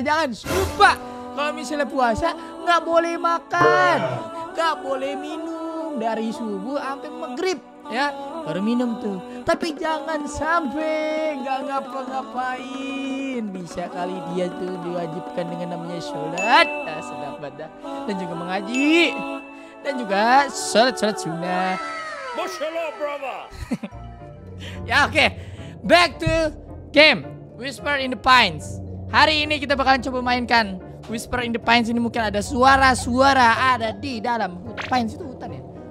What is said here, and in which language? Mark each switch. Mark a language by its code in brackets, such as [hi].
[id] Jangan lupa, kalau misalnya puasa gak boleh makan, gak boleh minum dari subuh sampai maghrib ya, baru minum tuh. Tapi jangan sampai gak ngapa-ngapain. Bisa kali dia tuh diwajibkan dengan namanya sholat sedapada dan juga mengaji dan juga sholat-sholat sunnah. Masyaallah brother. Ya oke, okay. [en] Back to game Whisper in the Pines. [id] Hari ini kita bakalan coba mainkan Whisper in the Pines. Ini mungkin ada suara-suara ada di dalam Pines itu hutan ya.